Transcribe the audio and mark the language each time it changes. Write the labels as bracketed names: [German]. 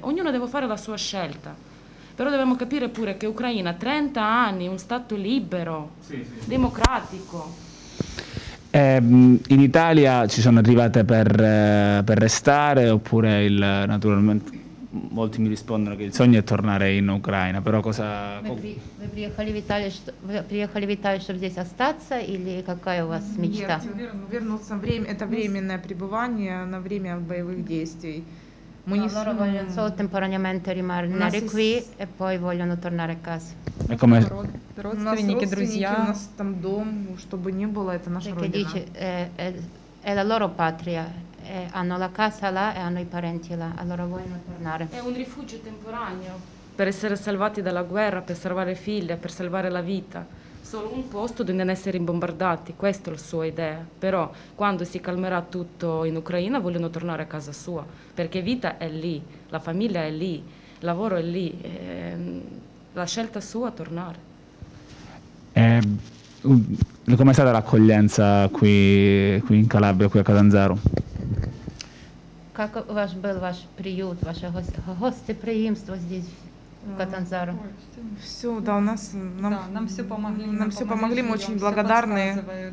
[Italian] Ognuno deve fare la sua scelta. Però dobbiamo capire pure che Ucraina, 30 anni, un stato libero, sì. Democratico. In Italia ci sono arrivate per restare oppure naturalmente molti mi rispondono che il sogno è tornare in Ucraina, però cosa... [Russian] Приехали в Италию, чтобы здесь остаться, или какая у вас мечта? Нет, вернуться, это временное пребывание на время боевых действий. Мы не смогли... [Italian] Solo temporaneamente rimanere qui e poi vogliono tornare a casa. E come... [Russian] Родственники, друзья. У нас там дом, чтобы не было, это наша родина. [Italian] Dice, è la loro patria. E hanno la casa là e hanno i parenti là, allora vogliono tornare. È un rifugio temporaneo. Per essere salvati dalla guerra, per salvare figlia, per salvare la vita. Solo un posto dove non essere bombardati, questa è la sua idea. Però quando si calmerà tutto in Ucraina vogliono tornare a casa sua. Perché vita è lì, la famiglia è lì, il lavoro è lì. E la scelta sua è tornare. Com'è stata l'accoglienza qui in Calabria, qui a Catanzaro? [Russian] Как у вас был ваш приют, ваше гостеприимство здесь, в Катанзаро? Все, да, у нас... Нам все помогли. Нам все помогли, мы очень благодарны.